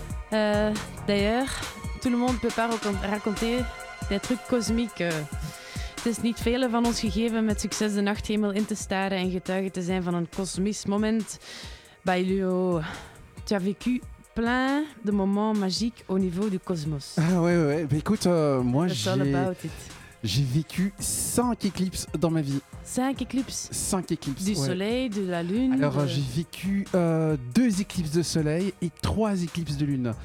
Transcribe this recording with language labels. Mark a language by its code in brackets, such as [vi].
[fr] D'ailleurs, tout le monde peut pas raconter des trucs cosmiques. [nl] Het is niet velen van ons gegeven met succes de nachthemel in te staren en getuige te zijn van een kosmisch moment. [fr] Bailio, tu as vécu plein de moments magiques au niveau du cosmos. Ah ouais, ouais, bah écoute, moi j'ai vécu 5 éclipses dans ma vie. 5 éclipses ? 5 éclipses, du soleil, de la lune. Alors j'ai vécu 2 éclipses de soleil et 3 éclipses de lune.